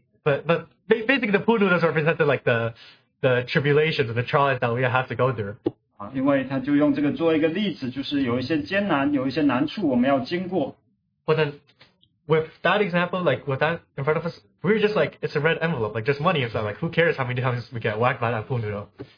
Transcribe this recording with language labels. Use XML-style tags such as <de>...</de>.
<en>But basically the pool noodles represented like the tribulations and the trials that we have to go through.</en> <zh>因为他就用这个做一个例子，就是有一些艰难，有一些难处我们要经过。</zh> <en>But then with that example, like with that in front of us, we were just like, it's a red envelope, like just money. It's not like, who cares how many times we get whacked by that pool noodle?</en>